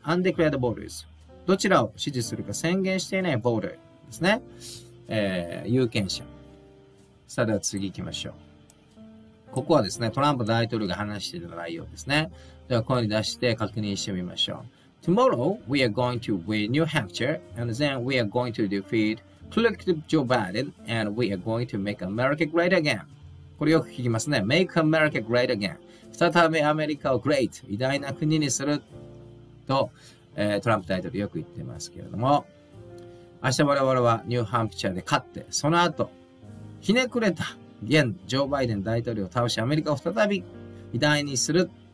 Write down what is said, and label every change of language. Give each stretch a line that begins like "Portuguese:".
Japanese: undeclared voters。 どちらを支持するか宣言していない voter ですね。有権者。さあ、では次行きましょう。ここはですね、トランプ大統領が話している内容ですね。では声に出して確認してみましょう。
English: Tomorrow, we are going to win New Hampshire, and then we are going to defeat collective Joe Biden, and we are going to make America great again.
Japanese: これよく聞きますね。
English: Make America great again.
Japanese: 再びアメリカを great、偉大な国にすると、トランプ大統領よく言ってますけれども、明日我々はニューハンプシャーで勝って、その後、ひねくれた現ジョー・バイデン大統領を倒し、アメリカを再び偉大にする